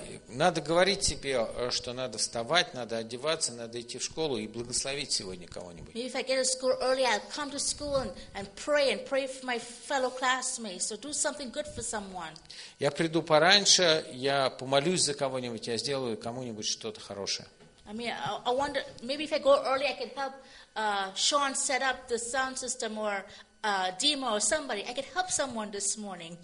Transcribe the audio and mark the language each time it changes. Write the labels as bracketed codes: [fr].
[ru] Надо говорить себе, что надо вставать, надо одеваться, надо идти в школу и благословить сегодня кого-нибудь. [en] Maybe if I get to school early, I'll come to school and pray for my fellow classmates. So do something good for someone. [ru] Я приду пораньше, я помолюсь за кого-нибудь, я сделаю кому-нибудь что-то хорошее. [en] I mean, I wonder, maybe if I go early, I can help Sean set up the sound system or Dima or somebody. I can help someone this morning.